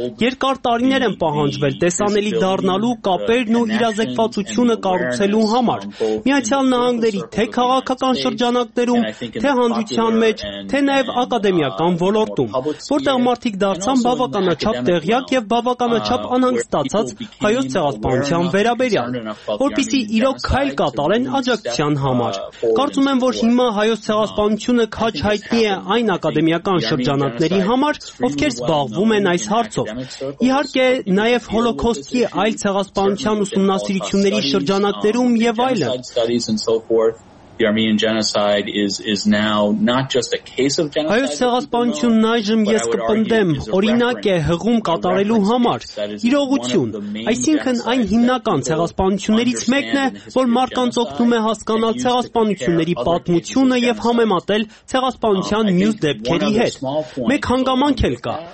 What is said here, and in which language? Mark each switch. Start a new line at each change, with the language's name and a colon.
Armenian: Երկար տարիներ են պահանջվել տեսանելի դառնալու կապերն ու իրազեկվածությունը կառուցելու համար Միացյալ Նահանգների թե քաղաքական շրջանակներում, թե հանրության մեջ, թե նաև ակադեմիական ոլորտում, որտեղ մարդիկ դարձան բավականաչափ տեղյակ և բավականաչափ չափ անհանգստացած հայոց ցեղասպանության վերաբերյալ, որպեսզի իրոք քայլ կատարեն աջակցության համար։ Կարծում եմ, որ հիմա հայոց ցեղասպանությունը քաչ հայտնի է այն ակադեմիական շրջանակների համար, ովքեր զբաղվում են այս հարցով։ Իհարկե, նաև հոլոկոստի այլ ցեղասպանության ուսումնասիրությունների շրջանակներում և այլն։
English: the Armenian genocide is now not just a case of genocide.
Armenian: Այս ցեղասպանությունն այժմ ես կպնդեմ, օրինակ է հղում կատարելու համար իրողություն, այսինքն այն հիմնական ցեղասպանություններից մեկն է, որ մարդկանց օգնում է հասկանալ ցեղասպանությունների պատմությունը եւ համեմատել ցեղասպանության մյուս դեպքերի հետ։ Մեկ հանգամանք էլ կա.